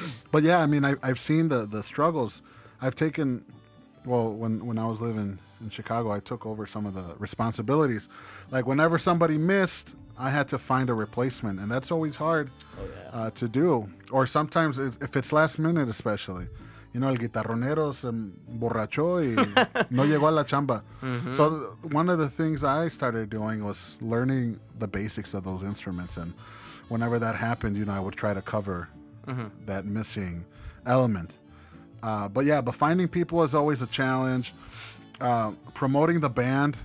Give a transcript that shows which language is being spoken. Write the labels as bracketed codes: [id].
[en] but yeah, I mean, I've seen the struggles. I've taken, well, when I was living in Chicago, I took over some of the responsibilities. Like whenever somebody missed, I had to find a replacement, and that's always hard. Oh, yeah. To do. Or sometimes if it's last minute, especially. You know, [es] el guitarronero se borracho y no llegó a la chamba. Mm-hmm. [en] So one of the things I started doing was learning the basics of those instruments. And whenever that happened, you know, I would try to cover that missing element. But finding people is always a challenge. Promoting the band.